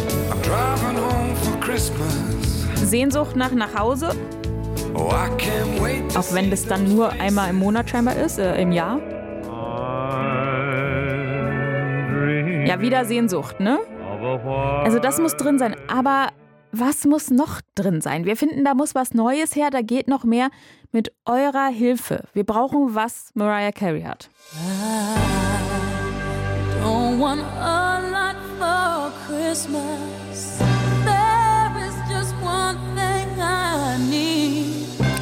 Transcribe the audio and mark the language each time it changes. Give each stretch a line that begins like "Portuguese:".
English: I'm driving home for Christmas.
German: Sehnsucht nach Hause.
English: Oh, I can't wait.
German: Auch wenn das dann nur einmal im Monat scheinbar ist, im Jahr. Ja, wieder Sehnsucht, ne? Also das muss drin sein, aber was muss noch drin sein? Wir finden, da muss was Neues her, da geht noch mehr mit eurer Hilfe. Wir brauchen, was Mariah Carey hat.
English: I don't want a lot for Christmas. There is just one thing I need.